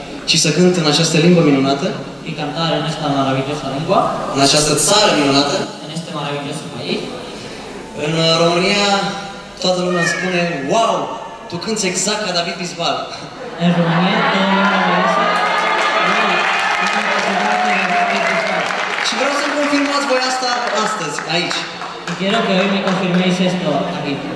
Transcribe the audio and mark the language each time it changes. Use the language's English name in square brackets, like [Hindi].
[Romanian] Și să cânt în această limbă minunată. [Spanish] Y cantar en esta maravillosa lengua. [Romanian] În această țară minunată. [Spanish] En este maravilloso país. [Romanian] În România, toată lumea spune, wow, tu cânti exact ca David Bisbal. În România, toată lumea spune, wow, și vreau să confirmați voi asta astăzi, aici. [Spanish] Y quiero que hoy me confirméis esto aquí.